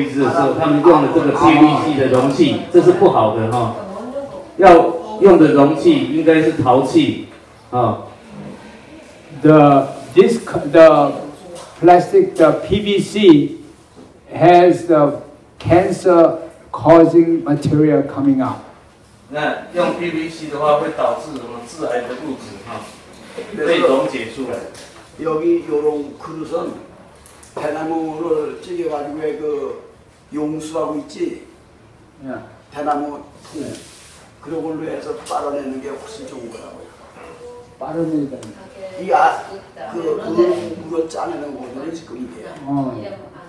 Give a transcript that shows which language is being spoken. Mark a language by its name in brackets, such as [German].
[Chinese] 比如说，他在做这个木桶果的天卫荔枝的时候，他们用的这个 PVC 的容器，这是不好的，要用的容器应该是陶器。 [English] The plastic, the PVC has the cancer causing material coming out. [Chinese] 那用 PVC 的话会导致什么致癌的物质被溶解出来。 [Korean] 여기 요런 그릇은 대나무를 찢어가지고 그 용수하고 있지. 대나무 통 그런 걸로 해서 빨아내는 게 훨씬 좋은 거라고요. 빨아내다니까. 그릇으로 짜내는 거는 지금 이게.